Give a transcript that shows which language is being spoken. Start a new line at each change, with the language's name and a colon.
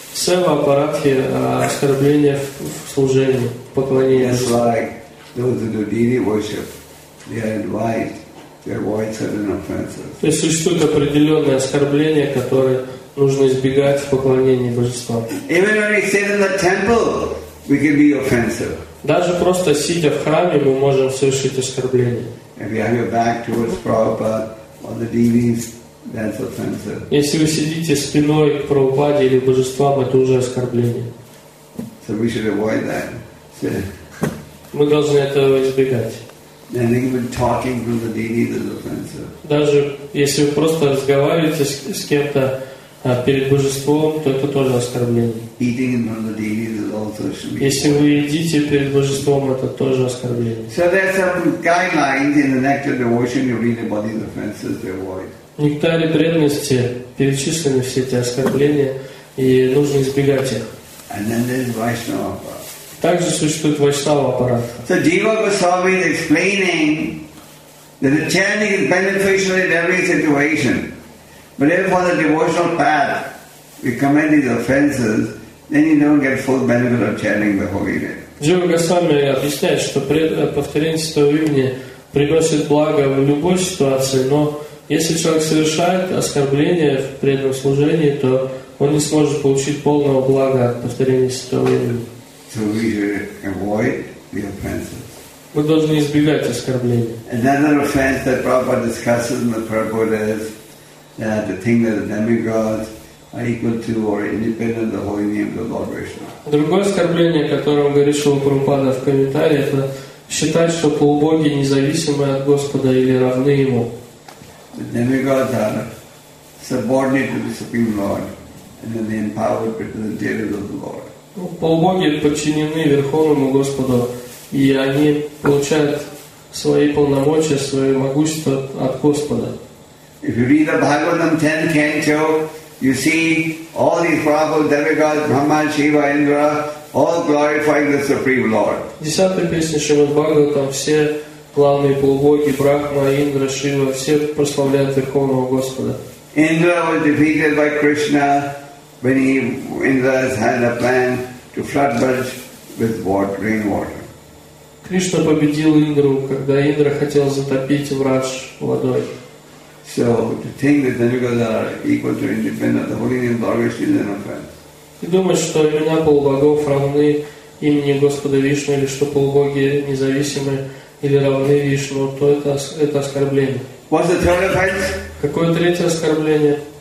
Russian: Сева аппаратхи оскорбления в служении, в поклонении.
English: Just like those who do deity worship, they are advised to avoid certain offenses.
Russian: То есть существуют определенные оскорбления, которые нужно избегать в поклонении божества.
English: Even when we sit in the temple, we can be offensive.
Russian: Даже просто сидя в храме, мы можем совершить оскорбление.
English: If you have your back towards Prabhupada or the deities, that's offensive.
Russian: Если вы сидите спиной к Прабхупаде или божествам, это уже оскорбление.
English: So we should avoid that.
Russian: Мы должны этого избегать.
English: And even talking to the deities is offensive.
Russian: Даже если вы просто разговариваете с кем-то перед божеством, то это тоже оскорбление.
English: Eating in front of the deities is also should be.
Russian: Если вы едите перед божеством, это тоже оскорбление.
English: So there are some guidelines in the nectar devotion you read about these offenses to avoid.
Russian: В нектаре преданности перечислены все эти оскорбления, и нужно избегать их.
English: And then there's Vaishnava aparadha.
Russian: Также существует Вайшнава аппарат.
English: So Deva Goswami is explaining that the chanting is beneficial in every situation. But if on the devotional path we commit these offenses, then you don't get full benefit of chanting the holy name.
Russian: Джива Госвами объясняет, что повторение святого имени приносит благо в любой ситуации, но если человек совершает оскорбление в преданном служении, то он не сможет получить полного блага от повторения святого имени.
English: So we should avoid the offenses.
Russian: Мы должны избегать оскорблений.
English: Another offense that Prabhupada discusses in the purport is that the thing that the demigods are equal to or independent of the holy name of the Lord Vishnu.
Russian: Другое оскорбление, о котором говорит Шрила Прабхупада в комментарии, это считать, что полубоги независимы от Господа или равны Ему.
English: The demigods are subordinate to the Supreme Lord and then the empowered representatives of the Lord.
Russian: Полубоги подчинены Верховному Господу, и они получают свои полномочия, свое могущество от Господа.
English: If you read the Bhagavatam 10th canto, you see all these Prabhupada, demigods, Brahma, Shiva, Indra, all glorifying the Supreme Lord.
Russian: В 10-й песне Шримад Бхагаватам все главные полубоги, Брахма, Индра, Шива, все прославляют Верховного Господа.
English: Indra was defeated by Krishna when Indra had a plan to flood Braj with water, rainwater.
Russian: Кришна победил Индру, когда Индра хотел затопить Враж водой.
English: So to think that the demigods are equal to independent, the holy name of Lord Vishnu is an offense.
Russian: И думать, что имена полубогов равны имени Господа Вишну, или что полубоги независимы или равны Вишну, то это оскорбление.
English: What's the third offense?
Russian: Какое третье оскорбление?